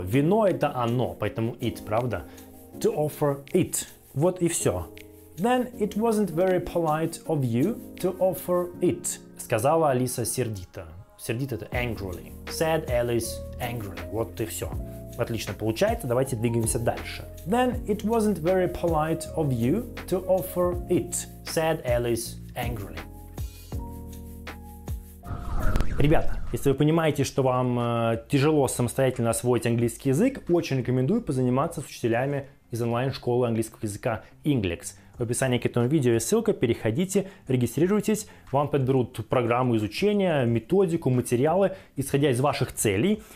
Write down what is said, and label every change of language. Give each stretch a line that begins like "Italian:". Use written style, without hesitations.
Russian: Вино — это оно, поэтому it, правда?
English: To offer it.
Russian: Вот и все.
English: Then it wasn't very polite of you to offer it,
Russian: сказала Алиса сердито. Сердито — это angrily.
English: Said Alice angrily.
Russian: Вот и все. Отлично получается, давайте двигаемся дальше.
English: Then it wasn't very polite of you to offer it, said Alice angrily.
Russian: Ребята, если вы понимаете, что вам тяжело самостоятельно освоить английский язык, очень рекомендую позаниматься с учителями из онлайн-школы английского языка Inglix. В описании к этому видео есть ссылка, переходите, регистрируйтесь, вам подберут программу изучения, методику, материалы, исходя из ваших целей.